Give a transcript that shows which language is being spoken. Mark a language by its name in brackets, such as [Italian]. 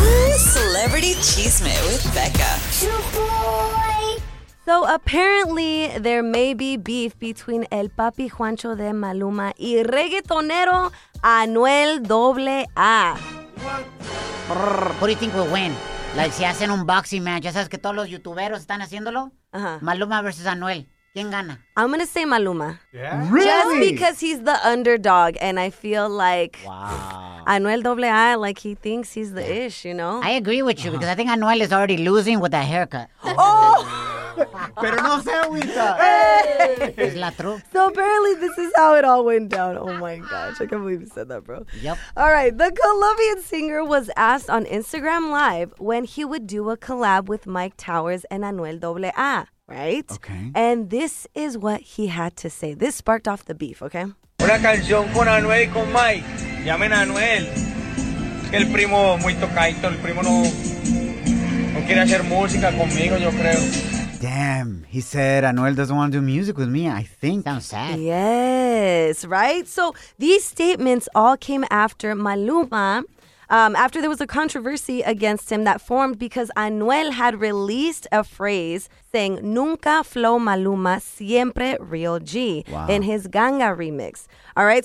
[English] Ooh, celebrity cheesemate with Becca. Shaboy. So apparently there may be beef between El Papi Juancho de Maluma [Spanish] y reggaetonero [English] Anuel AA. What do you think will win? Like, [Spanish] si hacen un [English] boxing match, [Spanish] ya sabes que todos los youtuberos están haciéndolo. Maluma versus Anuel. ¿Quién gana? [English] I'm going to say Maluma. Yeah. Really? Just because he's the underdog, and I feel like Anuel AA, like he thinks he's the ish, you know? I agree with you because I think Anuel is already losing with that haircut. [Spanish] Pero no se agüita. Es la [English] true. So apparently this is how it all went down. Oh my gosh, I can't believe you said that, bro. Yep. All right, the Colombian singer was asked on Instagram Live when he would do a collab with Mike Towers and Anuel AA. Right? Okay. And this is what he had to say. This sparked off the beef, okay? [Spanish] Una canción con Anuel y con Mike. Llamen a Anuel. El primo muy tocadito. El primo no quiere hacer música conmigo, yo creo. [English] Damn, he said Anuel doesn't want to do music with me, I think. Sounds sad. Yes, right? So these statements all came after Maluma after there was a controversy against him that formed because Anuel had released a phrase saying [Spanish] "Nunca Flow Maluma, Siempre Real G" [English] in his Ganga remix. All right.